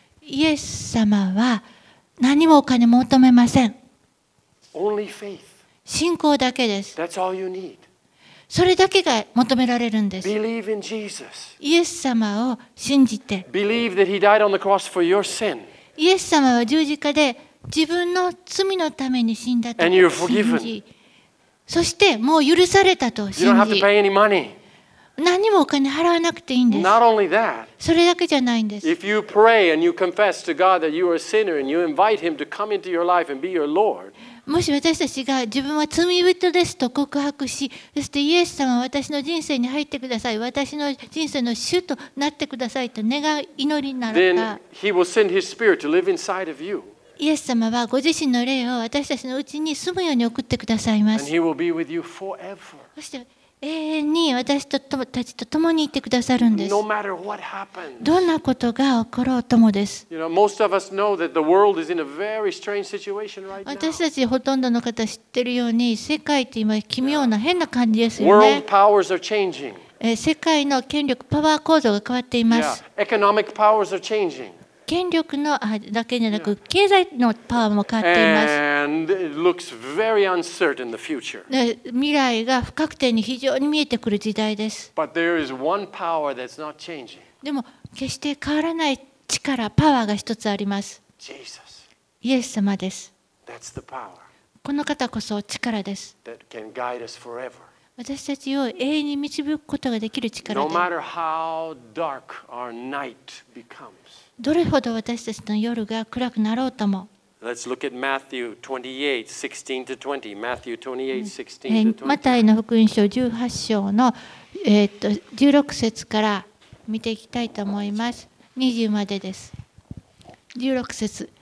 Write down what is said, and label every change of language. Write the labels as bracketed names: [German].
[Japanese] イエス様は何もお金求めません。信仰だけです。それだけが求められるんです。 [English] Believe in Jesus. [Japanese] イエス様を信じて。 [English] Believe that he died on the cross for your sin. [Japanese] イエス様は十字架で自分の罪のために死んだと信じ。 [English] And you're forgiven. [Japanese] そしてもう許されたと信じ。 [English] You don't have to pay any money. [Japanese] 何にもお金払わなくていいんです。 [English] Not only that. [Japanese] それだけじゃないんです。 [English] If you pray and you confess to God that you are a sinner and you invite him to come into your life and be your Lord. [Japanese] もし私たちが自分は罪人ですと告白し、そしてイエス様は私の人生に入ってください、私の人生の主となってくださいと願う祈りならば、 [English] Then he will send his spirit to live inside of you. [Japanese] イエス様はご自身の霊を私たちのうちに住むように送ってくださいます。 [English] And he will be with you forever. [Japanese] そして永遠に私たちと共にいてくださるんです。 [English] No matter what happens. [Japanese] どんなことが起ころうともです。 [English] You know, most of us know that the world is in a very strange situation right now. [Japanese] 私たちほとんどの方知ってるように、世界って今奇妙な変な感じですよね。 [English] World powers are changing. [Japanese] 世界の権力パワー構造が変わっています。 [English] Yeah. Economic powers are changing. [Japanese] 権力のだけじゃなく経済のパワーも変わっています。 [English] And it looks very uncertain the future. [Japanese] 未来が不確定に非常に見えてくる時代です。 [English] But there is one power that's not changing. [Japanese] でも決して変わらない力、パワーが一つあります。 [English] Jesus. [Japanese] イエス様です。 [English] That's the power. [Japanese] この方こそ力です。 [English] That can guide us forever. [Japanese] 私たちを永遠に導くことができる力で、 [English] no matter how dark our night becomes. [Japanese] どれほど私たちの夜が暗くなろうとも。 [English] Let's look at Matthew 28:16-20. Matthew 28:16-20. [Japanese] マタイの福音書18章の16節から見ていきたいと思います。20までです。16節。